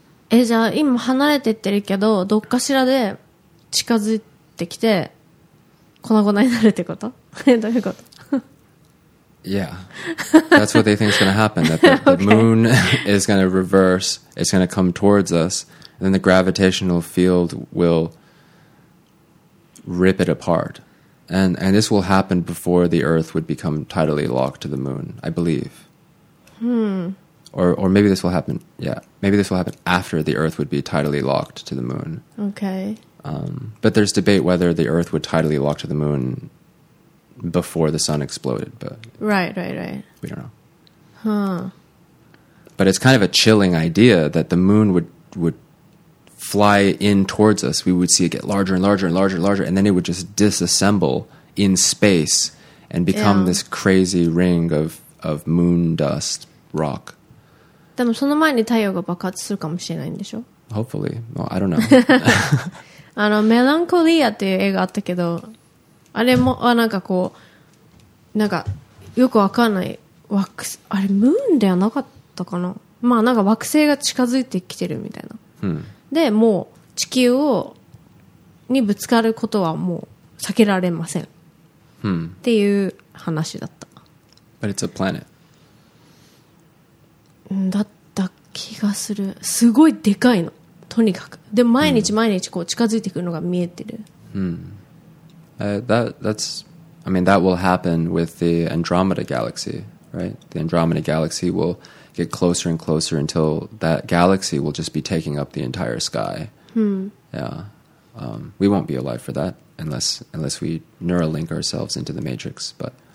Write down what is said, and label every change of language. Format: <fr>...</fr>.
<ja>え、じゃあ今離れてってるけど、どっかしらで近づいてきて粉々になるってこと？どういうこと？</ja> <en>Yeah, that's what they think is going to happen. That the, the moon is going to reverse. It's going to come towards us. And then the gravitational field will rip it apart. And this will happen before the Earth would become tidally locked to the moon, I believe. Or maybe this will happen. Yeah, maybe this will happen after the Earth would be tidally locked to the moon. Okay. But there's debate whether the Earth would tidally lock to the moon before the sun exploded, but right. We don't know. Huh. But it's kind of a chilling idea that the moon would fly in towards us. We would see it get larger and larger and larger and larger, and then it would just disassemble in space and become this crazy ring of moon dust rock.</en> <ja>でもその前に太陽が爆発するかもしれないんでしょ?</ja> <en>Hopefully. Well, I don't know.</en> <ja>あの、メランコリアっていう映画あったけど、あれもあなんかこうなんかよくわかんない惑星、あれムーンではなかったかな、まあなんか惑星が近づいてきてるみたいな、でもう地球をにぶつかることはもう避けられません、っていう話だった。</ja> <en>But it's a planet.</en> <ja>だった気がする。すごいでかいの、とにかく。で毎日毎日こう近づいてくるのが見えてる。</ja> <en>That will happen with the Andromeda galaxy, right? The Andromeda galaxy will get closer and closer until that galaxy will just be taking up the entire sky. Yeah. We won't be alive for that unless we neuralink ourselves into the matrix, but</en>